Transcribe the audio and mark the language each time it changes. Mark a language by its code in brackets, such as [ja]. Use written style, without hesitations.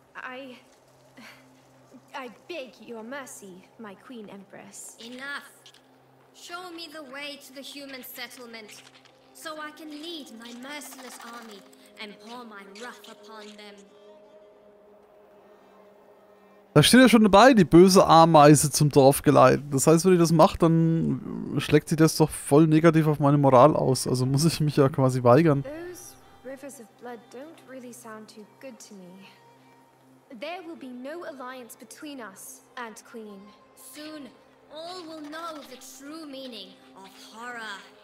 [en] I beg your mercy, my queen empress. Enough. Show me the way to the human settlement, so I can lead my merciless army and pour my wrath upon them. [de] Da steht ja schon dabei, die böse Ameise zum Dorf geleiten. Das heißt, wenn ich das mache, dann schlägt sie das doch voll negativ auf meine Moral aus. Also muss ich mich ja quasi weigern. [en] Those rivers of blood don't really sound too good to me. There will be no alliance between us and Queen. Soon, all will know the true meaning of horror.